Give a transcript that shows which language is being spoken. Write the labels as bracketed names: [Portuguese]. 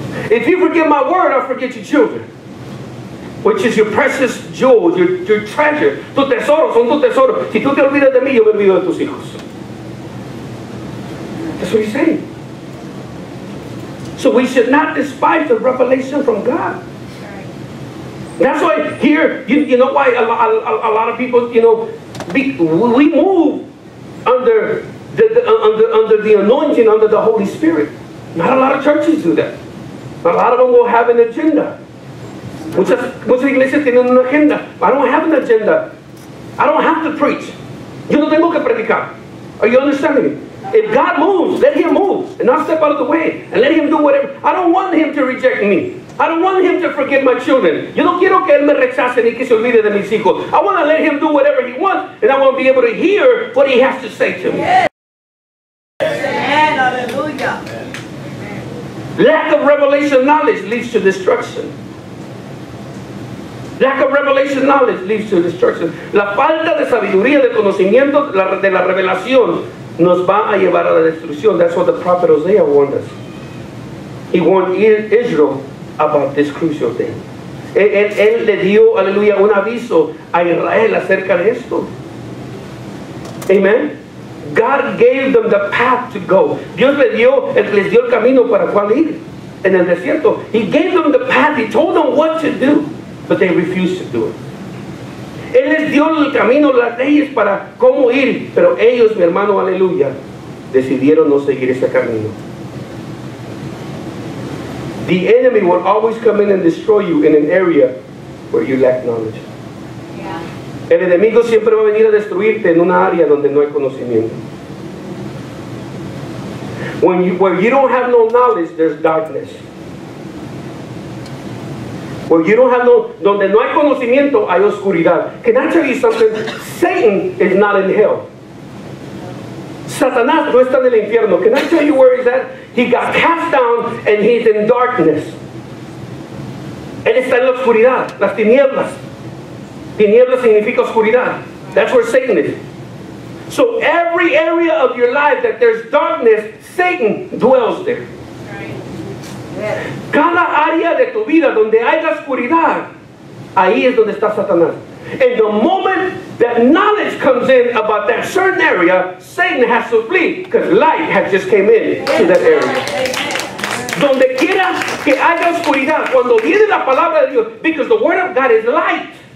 [English] If you forget my word, I'll forget your children. Which is your precious jewels, your treasure. [Spanish] Tu tesoro, son tu tesoro. Si tú te olvidas de mí, yo me olvido de tus hijos. [English] That's what he's saying. So we should not despise the revelation from God. That's why here, you know why a lot of people, you know, we move under the anointing, under the Holy Spirit. Not a lot of churches do that. A lot of them will have an agenda. [Spanish] Muchas iglesias tienen una agenda. [English] I don't have an agenda. I don't have to preach. [Spanish] Yo no tengo que predicar. [English] Are you understanding me? If God moves, let him move. And I'll step out of the way. And let him do whatever. I don't want him to reject me. I don't want him to forget my children. [Spanish] Yo no quiero que él me rechace ni que se olvide de mis hijos. [English] I want to let him do whatever he wants. And I want to be able to hear what he has to say to me. Yes. Amen. Hallelujah. Lack of revelation knowledge leads to destruction. Lack of revelation knowledge leads to destruction. [Spanish] La falta de sabiduría, de conocimiento, de la revelación, nos va a llevar a la destrucción. [English] That's what the prophet Hosea warned us. He warned Israel about this crucial thing. [Spanish] Él le dio, aleluya, un aviso a Israel acerca de esto. Amen. [English] God gave them the path to go. [Spanish] Dios les dio el camino para cual ir en el desierto. [English] He gave them the path. He told them what to do, but they refused to do it. [Spanish] Él les dio el camino, las leyes para cómo ir, pero ellos, mi hermano, aleluya, decidieron no seguir ese camino. [English] The enemy will always come in and destroy you in an area where you lack knowledge. Yeah. [Spanish] El enemigo siempre va a venir a destruirte en una área donde no hay conocimiento. [English] Where you don't have no knowledge, there's darkness. Where you don't have no, [Spanish] donde no hay conocimiento, hay oscuridad. [English] Can I tell you something? Satan is not in hell. [Spanish] Satanás no está en el infierno. [English] Can I tell you where he's at? He got cast down and he's in darkness. [Spanish] Él está en la oscuridad, las tinieblas. Tinieblas significa oscuridad. [English] That's where Satan is. So every area of your life that there's darkness, Satan dwells there. [Spanish] Cada área de tu vida donde hay la oscuridad, ahí es donde está Satanás. [English] And the moment that knowledge comes in about that certain area, Satan has to flee because light has just came in to that area. [Spanish] Donde quiera que haya oscuridad, cuando viene la palabra de Dios, [English] because the word of God is light.